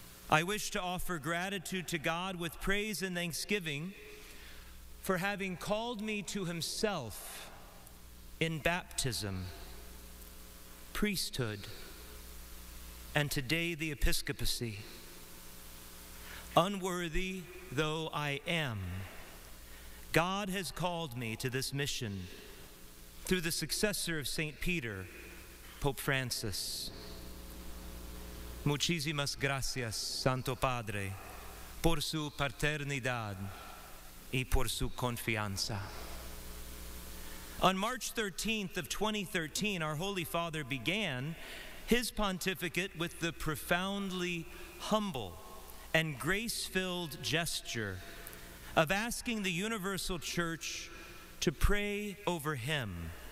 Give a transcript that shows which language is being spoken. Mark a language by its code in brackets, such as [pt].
[en] I wish to offer gratitude to God with praise and thanksgiving for having called me to Himself in baptism, priesthood, and today the episcopacy. Unworthy though I am, God has called me to this mission through the successor of St. Peter, Pope Francis. [es] Muchísimas gracias, Santo Padre, por su paternidad y por su confianza. [en] On March 13th of 2013, our Holy Father began his pontificate with the profoundly humble and grace-filled gesture of asking the Universal Church to pray over him.